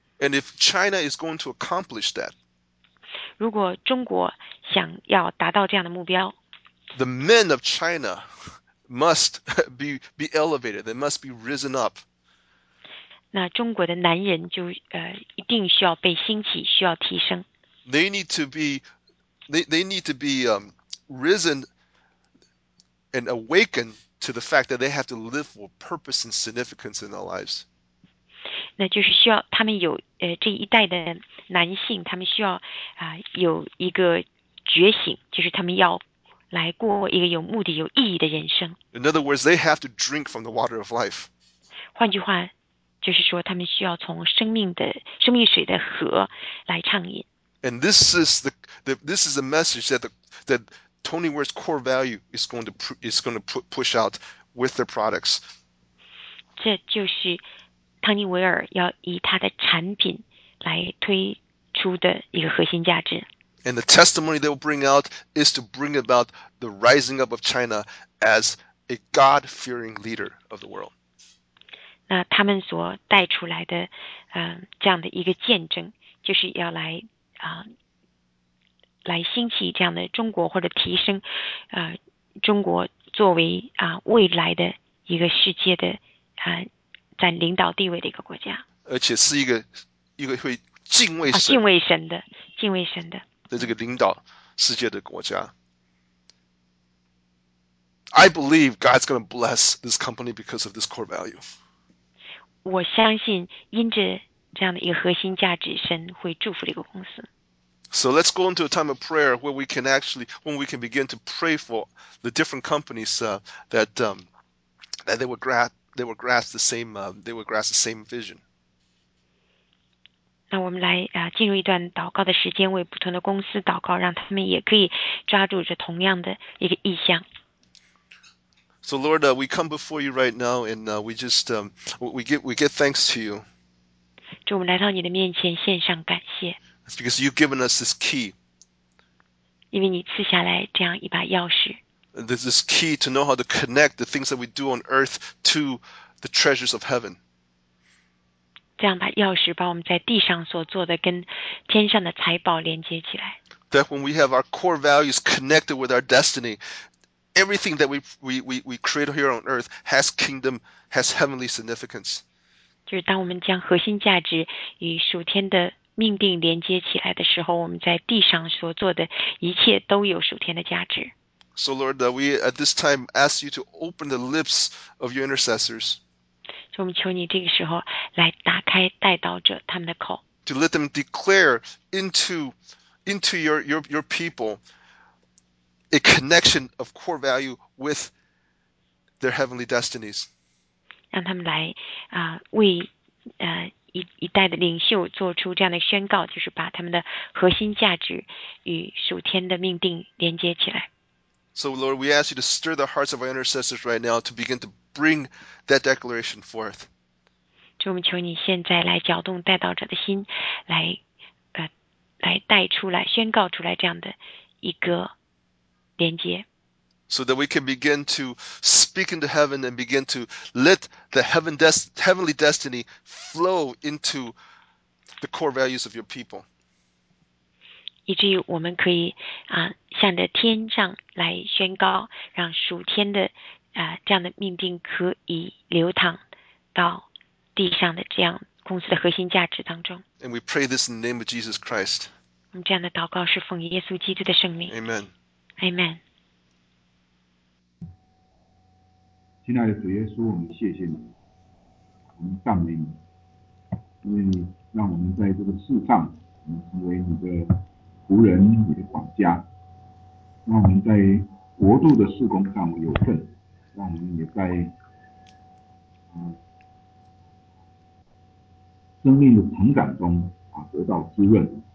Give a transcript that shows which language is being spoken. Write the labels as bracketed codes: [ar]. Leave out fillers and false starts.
[en] And if China is going to accomplish that, [zh] 如果中国想要达到这样的目标， [en] the men of China must be elevated. They must be risen up. [zh] 那中国的男人就一定需要被兴起，需要提升。 [en] They need to be risen and awakened. To the fact that they have to live for purpose and significance in their lives. [zh] 那就是需要他们有这一代的男性，他们需要有一个觉醒，就是他们要来过一个有目的、有意义的人生。 [en] In other words, they have to drink from the water of life. [zh] 换句话，就是说他们需要从生命水的河来畅饮。 [en] And this is the message that Tony Ware's core value is going to push out with their products. [zh] 这就是汤尼维尔要以他的产品来推出的一个核心价值。 [en] And the testimony they will bring out is to bring about the rising up of China as a God-fearing leader of the world. [zh] 那他们所带出来的这样的一个见证，就是要来来兴起这样的中国，或者提升中国作为未来的一个世界的占领导地位的一个国家，而且是一个会敬畏神、敬畏神的这个领导世界的国家。 [en] I believe God's going to bless this company because of this core value. [zh] 我相信因着这样的一个核心价值，神会祝福这个公司。 [en] So let's go into a time of prayer where we can actually, when we can begin to pray for the different companies that they will grasp the same vision. [zh] 那我们来进入一段祷告的时间，为不同的公司祷告，让他们也可以抓住着同样的一个意向。 [en] So Lord, we come before you right now, and we get thanks to you. [zh] 主，我们来到你的面前，献上感谢。 [en] It's because you've given us this key. [zh] 因为你赐下来这样一把钥匙。 [en] There's this key to know how to connect the things that we do on earth to the treasures of heaven. [zh] 这样把钥匙把我们在地上所做的跟天上的财宝连接起来。 [en] That when we have our core values connected with our destiny, everything that we create here on earth has kingdom, has heavenly significance. [zh] 就是当我们将核心价值与属天的命定连接起来的时候，我们在地上所做的一切都有属天的价值。 [en] So Lord, that we at this time ask you to open the lips of your intercessors. [zh] 我们求你这个时候来打开代祷者他们的口。 [en] To let them declare into your people a connection of core value with their heavenly destinies. [zh] 让他们来为一代的领袖做出这样的宣告，就是把他们的核心价值与属天的命定连接起来。 [en] So Lord, we ask you to stir the hearts of our intercessors right now to begin to bring that declaration forth. [zh] 就我们求你现在来搅动代祷者的心，来带出来、宣告出来这样的一个连接。 [en] So that we can begin to speak into heaven and begin to let the heavenly destiny flow into the core values of your people. [zh] 以至于我们可以向着天上来宣告，让属天的这样的命定可以流淌到地上的这样公司的核心价值当中。 [en] And we pray this in the name of Jesus Christ. [zh] 我们这样的祷告是奉耶稣基督的圣名。 [en] Amen. [zh] Amen。亲爱的主耶稣，我们谢谢你，我们赞美你，因为你让我们在这个世上，我们成为你的仆人，你的管家，让我们在国度的事工上有份，让我们也在生命的成长中得到滋润。